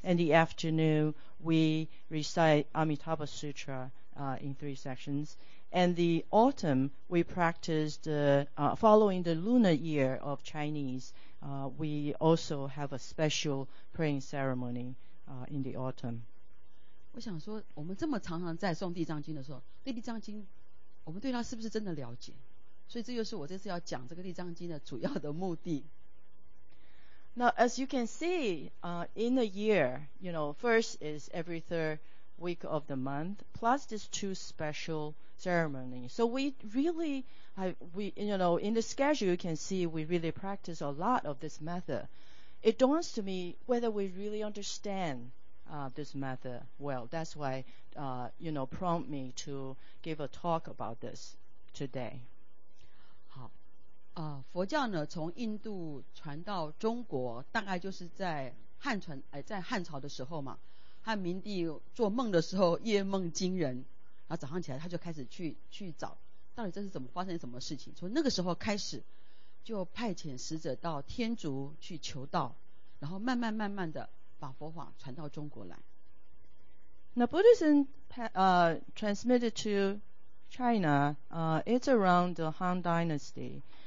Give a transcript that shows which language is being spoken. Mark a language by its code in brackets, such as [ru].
[en] In the afternoon, we recite Amitabha Sutra in three sections. And the autumn, we practice the following the lunar year of Chinese. We also have a special praying ceremony in the autumn. [zh] 我想说，我们这么常常在诵地藏经的时候，对地藏经，我们对它是不是真的了解？所以这就是我这次要讲这个地藏经的主要的目的。 [en] Now, as you can see, in a year, you know, first is every third week of the month, plus these two special ceremonies. So we really, in the schedule, you can see we really practice a lot of this method. It dawns to me whether we really understand this method well. That's why, prompt me to give a talk about this today. [zh] 佛教呢，从印度传到中国，大概就是在汉朝的时候嘛。汉明帝做梦的时候，夜梦惊人，然后早上起来他就开始去找，到底这是怎么发生什么事情。从那个时候开始，就派遣使者到天竺去求道，然后慢慢的把佛法传到中国来。 [en] Now Buddhism transmitted to China, it's around the Han Dynasty.